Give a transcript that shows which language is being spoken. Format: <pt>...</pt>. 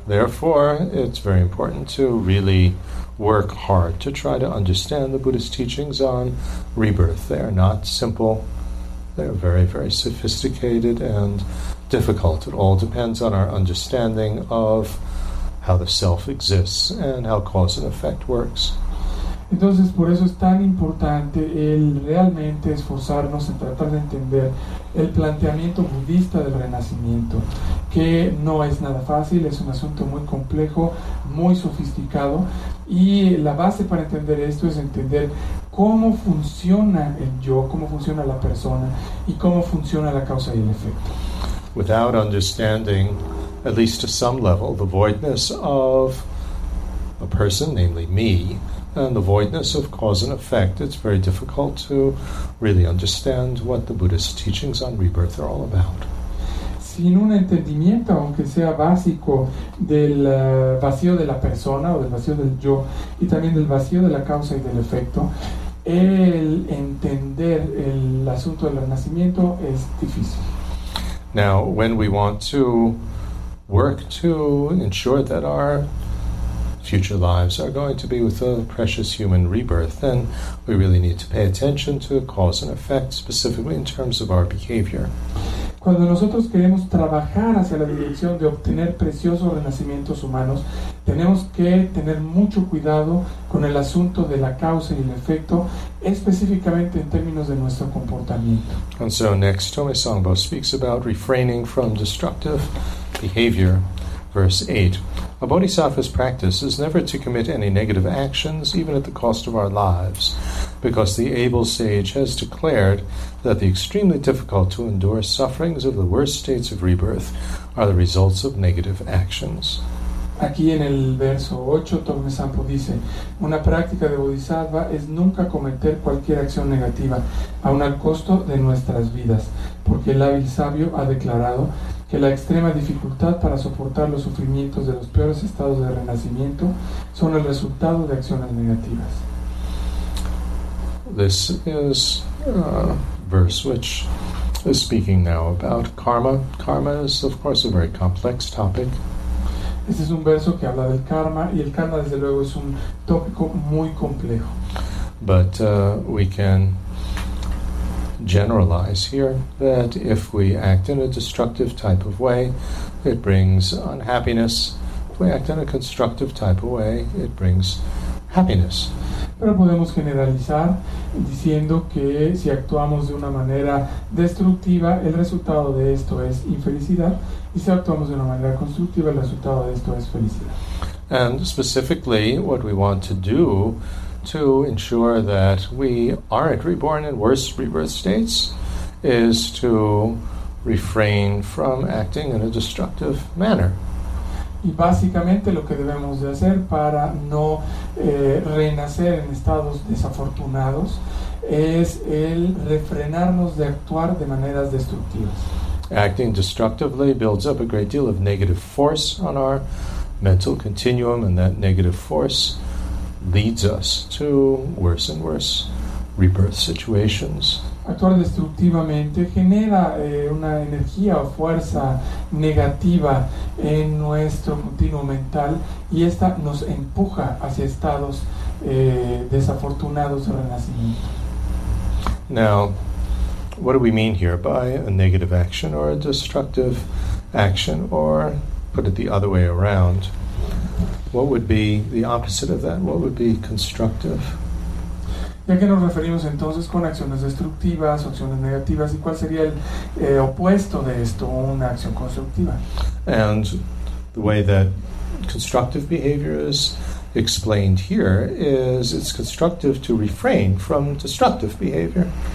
<en>Therefore, it's very important to really work hard to try to understand the Buddhist teachings on rebirth. They are not simple. They're very, very sophisticated and difficult. It all depends on our understanding of how the self exists and how cause and effect works.</en> <es>Entonces, por eso es tan importante el realmente esforzarnos en tratar de entender el planteamiento budista del renacimiento, que no es nada fácil, es un asunto muy complejo, muy sofisticado, y la base para entender esto es entender cómo funciona el yo, cómo funciona la persona, y cómo funciona la causa y el efecto.</es> <en>Without understanding, at least to some level, the voidness of a person, namely me, and the voidness of cause and effect, it's very difficult to really understand what the Buddhist teachings on rebirth are all about.</en> <es>Sin un entendimiento, aunque sea básico, del vacío de la persona o del vacío del yo, y también del vacío de la causa y del efecto, el entender el asunto del renacimiento es difícil.</es> <en>Now, when we want to work to ensure that our future lives are going to be with a precious human rebirth, then we really need to pay attention to cause and effect, specifically in terms of our behavior.</en> <es>Cuando nosotros queremos trabajar hacia la dirección de obtener preciosos renacimientos humanos, tenemos que tener mucho cuidado con el asunto de la causa y el efecto, específicamente en términos de nuestro comportamiento.</es> <en>And so next, Tome Sangbo speaks about refraining from destructive behavior. Verse 8. A bodhisattva's practice is never to commit any negative actions, even at the cost of our lives, because the able sage has declared that the extremely difficult to endure sufferings of the worst states of rebirth are the results of negative actions.</en> <es>Aquí en el verso 8, Tome Sampo dice, una práctica de bodhisattva es nunca cometer cualquier acción negativa, aun al costo de nuestras vidas, porque el hábil sabio ha declarado que la extrema dificultad para soportar los sufrimientos de los peores estados de renacimiento son el resultado de acciones negativas.</es> <en>This is a verse which is speaking now about karma. Karma is, of course, a very complex topic.</en> <es>Este es un verso que habla del karma, y el karma, desde luego, es un tópico muy complejo.</es> <en>But we can generalize here that if we act in a destructive type of way, it brings unhappiness. If we act in a constructive type of way, it brings happiness.</en> <es>Pero podemos generalizar diciendo que si actuamos de una manera destructiva, el resultado de esto es infelicidad, y si actuamos de una manera constructiva, el resultado de esto es felicidad.</es> <en>And specifically, what we want to do to ensure that we aren't reborn in worse rebirth states is to refrain from acting in a destructive manner.</en> <es>Y básicamente lo que debemos de hacer para no renacer en estados desafortunados es el refrenarnos de actuar de maneras destructivas.</es> <en>Acting destructively builds up a great deal of negative force on our mental continuum, and that negative force leads us to worse and worse rebirth situations.</en> <es>actuar destructivamente genera una energía o fuerza negativa en nuestro continuo mental, y esta nos empuja hacia estados desafortunados de renacimiento.</es> <en>Now, what do we mean here by a negative action or a destructive action, or put it the other way around? What would be the opposite of that? What would be constructive?</en> <es>¿A qué nos referimos entonces con acciones destructivas, acciones negativas, y cuál sería el opuesto de esto, una acción constructiva?</es> <en>And the way that constructive behavior is explained here is it's constructive to refrain from destructive behavior.</en>